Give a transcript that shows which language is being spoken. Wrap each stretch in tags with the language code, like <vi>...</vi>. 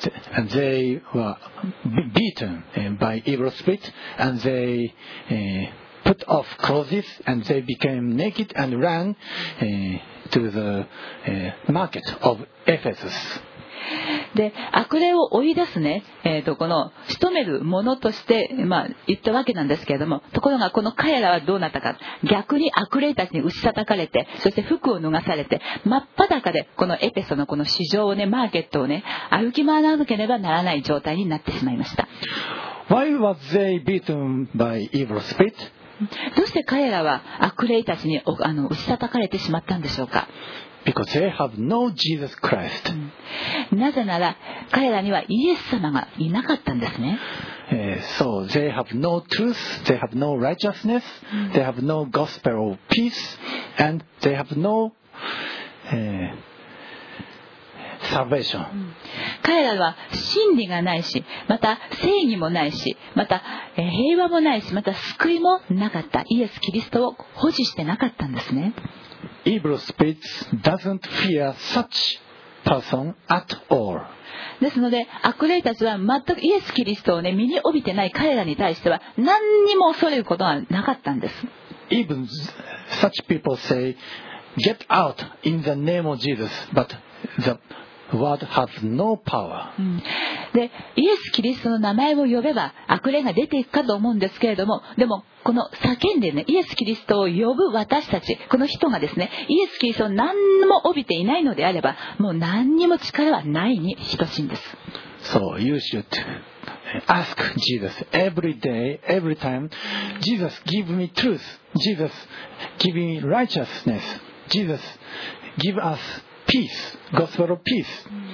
<en>And they were beaten by evil spirit and theyput off clothes and they became naked and ran to the market of Ephesus.</en> <ja>で、悪霊を追い出すね、この仕留める者として、言ったわけなんですけれども、ところがこの彼らはどうなったか、逆に悪霊たちに打ち叩かれて、そして服を脱されて、真っ裸でこのエフェソのこの市場をね、マーケットをね、歩き回らなければならない状態になってしまいました。</ja> <en>Why was they beaten by evil spirit?</en> <ja>どうして彼らは悪霊たちに打ち叩かれてしまったんでしょうか。</ja> <en>Because they have no Jesus Christ.</en> <ja>なぜなら彼らにはイエス様がいなかったんですね。</ja> <en>So they have no truth, they have no righteousness, they have no gospel of peace, and they have no salvation.</en> <ja>彼らは真理がないし、また正義もないし、また平和もないし、また救いもなかった。イエス・キリストを保持してなかったんですね。</ja> <en>Evil spirits doesn't fear such person at all.</en> <ja>ですので、悪霊たちは全くイエス・キリストを、ね、身に帯びてない彼らに対しては何にも恐れることはなかったんです。</ja> <en>Even such people say, get out in the name of Jesus, but the word has no power.</en> <ja>で、イエス・キリストの名前を呼べば悪霊が出ていくかと思うんですけれども、でもこの叫んで、ね、イエス・キリストを呼ぶ私たち、この人がですね、イエス・キリストを何も帯びていないのであれば、もう何にも力はないに等しいんです。</ja> <en>So you should ask Jesus every day, every time, Jesus give me truth, Jesus give me righteousness, Jesus give usPeace, gospel of peace.</en>